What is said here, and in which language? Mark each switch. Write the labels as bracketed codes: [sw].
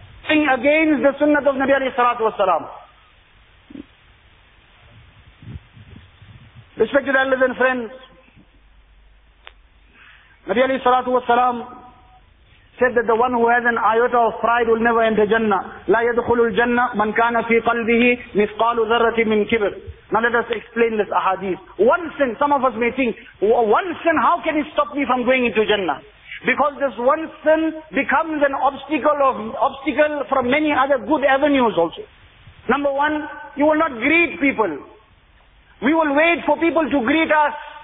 [en] Sing against the sunnah of Nabi alayhi salatu wasalam. Respected elders and friends, Nabi alayhi salatu wasalam said that the one who has an iota of pride will never enter Jannah. [ar] لا يدخل الجنة من كان في قلبه مثقال ذرة من كبر. [en] Now let us explain this ahadith. One sin, some of us may think, one sin, how can it stop me from going into Jannah? Because this one sin becomes an obstacle from many other good avenues also. Number one, you will not greet people. We will wait for people to greet us.